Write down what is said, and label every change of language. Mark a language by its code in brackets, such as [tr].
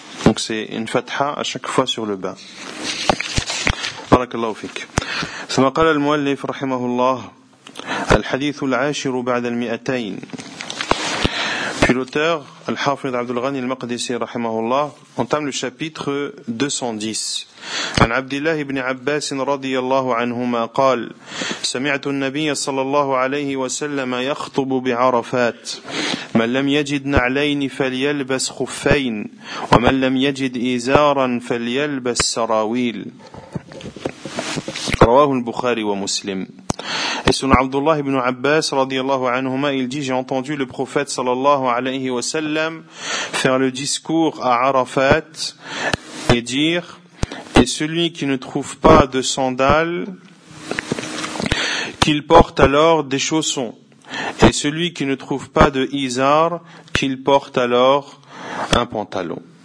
[fr] Donc c'est une fatha à chaque fois sur le bas. [ar] بارك الله فيك. ثم قال المؤلف رحمه الله الحديث العاشر بعد المئتين. في الأوتر الحافظ عبد الغني المقدسي رحمه الله انتم للشابيتر 210. عن عبد الله بن عباس رضي الله عنهما قال سمعت النبي صلى الله عليه وسلم يخطب بعرفات من لم يجد نعلين فليلبس خفين ومن لم يجد إزارا فليلبس سراويل. رواه البخاري ومسلم. [fr] Et son Abdullah ibn Abbas radiyallahu anhuma, il dit j'ai entendu le prophète sallallahu alayhi wa sallam faire le discours à Arafat et dire et celui qui ne trouve pas de sandales qu'il porte alors des chaussons et celui qui ne trouve pas de izar qu'il porte alors un pantalon.